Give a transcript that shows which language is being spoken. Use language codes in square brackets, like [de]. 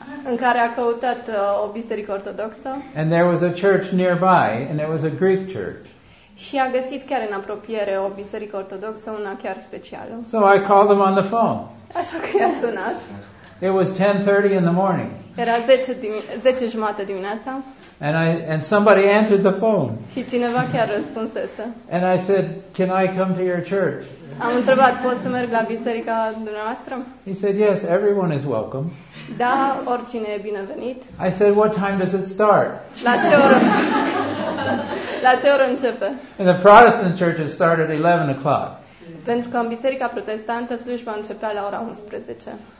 [ro] În care a căutat o biserică ortodoxă. [en] And there was a church nearby, and it was a Greek church. [ro] Și a găsit chiar în apropiere o biserică ortodoxă, una chiar specială. [en] So I called them on the phone. [ro] Așa că i-a sunat. [en] It was 10:30 in the morning. [ro] Era 10:30 dimineața. [en] And somebody answered the phone. [ro] Și cineva chiar răspunsese. [en] And I said, "Can I come to your church?" [ro] Am întrebat, "Pot să merg la biserica dumneavoastră?" [en] He said, "Yes, everyone is welcome." [ro] Da, oricine e binevenit. [en] I said, "What time does it start?" [ro] La ce oră? La ce oră începe? [en] And the Protestant churches start at 11 o'clock. [ro] Pentru că în biserica protestantă slujba începea la ora 11.